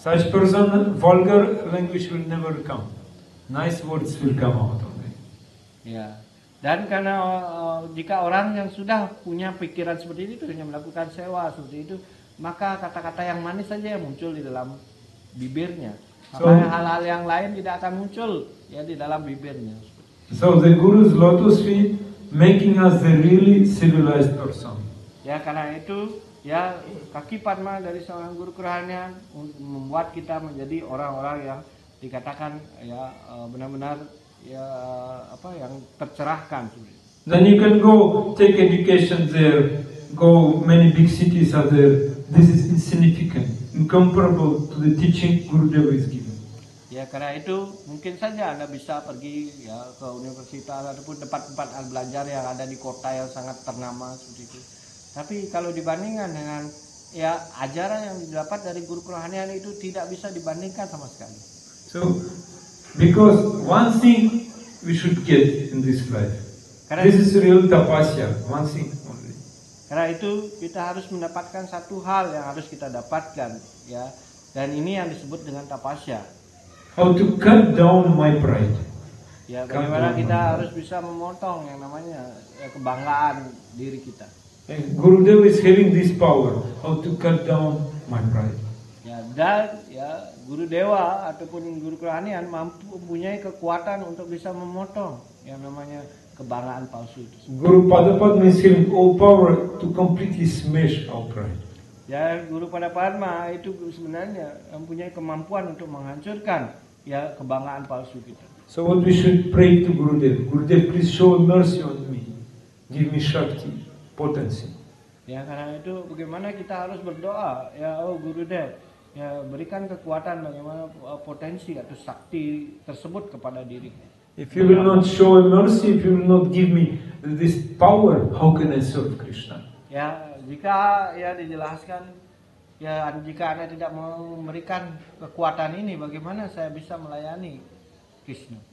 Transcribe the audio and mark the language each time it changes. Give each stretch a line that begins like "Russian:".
English: Such person, vulgar language will never come. Nice words will come out of it. Yeah.
Indonesian: Dan karena jika orang yang sudah punya pikiran seperti itu, hanya melakukan sewa seperti itu, maka kata-kata yang manis saja yang muncul di dalam bibirnya. Maka hal-hal yang lain tidak akan muncul ya di dalam bibirnya.
English: So the guru's lotus feet making us a really civilized person.
Indonesian: Ya karena itu ya kaki padma dari seorang guru kerohanian membuat kita menjadi orang-orang yang dikatakan ya benar-benar ya apa yang tercerahkan.
English: Then you can go take education there, go many big cities are there. This is insignificant, incomparable to the teaching Gurudev is giving.
Indonesian: Ya karena itu mungkin saja Anda bisa pergi ya ke universitas ataupun tempat-tempat belajar yang ada di kota yang sangat ternama seperti itu. Tapi kalau dibandingkan dengan ya ajaran yang didapat dari guru kerohanian itu tidak bisa dibandingkan sama sekali.
English: So. Because one thing we should get in this life.
Indonesian: Karena
English: this is real tapasya, one thing only.
Indonesian: Karena itu kita harus mendapatkan satu hal yang harus kita dapatkan, ya. Dan ini yang disebut dengan tapasya.
English: How to cut down my pride?
Indonesian: Ya, bagaimana kita harus bisa memotong yang namanya kebanggaan diri kita.
English: Gurudev is having this power. How to cut down my pride?
Indonesian: Ya, dan ya. Guru Dewa ataupun Guru Kerohanian mampu mempunyai kekuatan untuk bisa memotong yang namanya kebanggaan palsu itu.
English: Guru Padapadma is having all power to completely smash our pride.
Indonesian: Ya, Guru Padapadma itu sebenarnya mempunyai kemampuan untuk menghancurkan ya kebanggaan palsu kita.
English: So what we should pray to Guru Dev. Guru Dev, please show mercy on me. Give me shakti, potency.
Indonesian: Ya, karena itu bagaimana kita harus berdoa ya Guru Dev. Ya berikan kekuatan bagaimana potensi atau sakti tersebut kepada diri.
English: If you will not show mercy, if you will not give me this power, how can I serve Krishna?
Indonesian: Ya jika ya dijelaskan ya jika Anda tidak mau memberikan kekuatan ini, bagaimana saya bisa melayani Krishna?